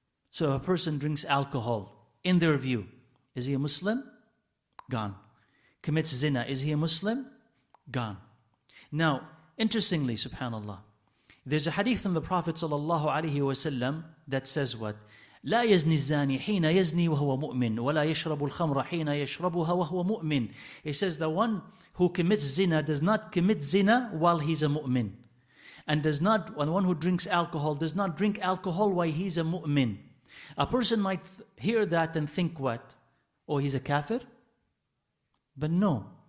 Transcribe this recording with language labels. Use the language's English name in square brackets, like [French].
[English] So if a person drinks alcohol, in their view, is he a Muslim? Gone. Commits zina, is he a Muslim? Gone. Now, interestingly, subhanAllah, there's a hadith from the Prophet sallallahu alayhi wa sallam that says what? [Arabic] لا يزني الزاني حين يزني وهو مؤمن ولا يشرب الخمر حين يشربها وهو مؤمن. [English] He says the one who commits zina does not commit zina while he's a mu'min. And does not, the one who drinks alcohol does not drink alcohol while he's a mu'min. A person might hear that and think what? Oh, he's a kafir? But no.